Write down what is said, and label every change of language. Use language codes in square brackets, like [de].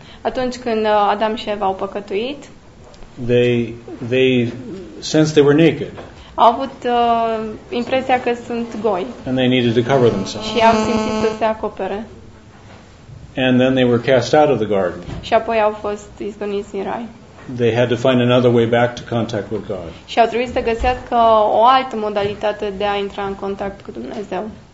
[ro] atunci când Adam și Eva au păcătuit, [en] they sensed they were naked. [ro] Au avut impresia că sunt goi. [en] And they needed to cover themselves. [ro] Și au simțit să se acopere. [en] And then they were cast out of the garden. [ro] Și apoi au fost izgoniți din rai. [en] They had to find another way back to contact with God. [ro] Și au trebuit să găsească o altă modalitate de a intra în contact cu Dumnezeu.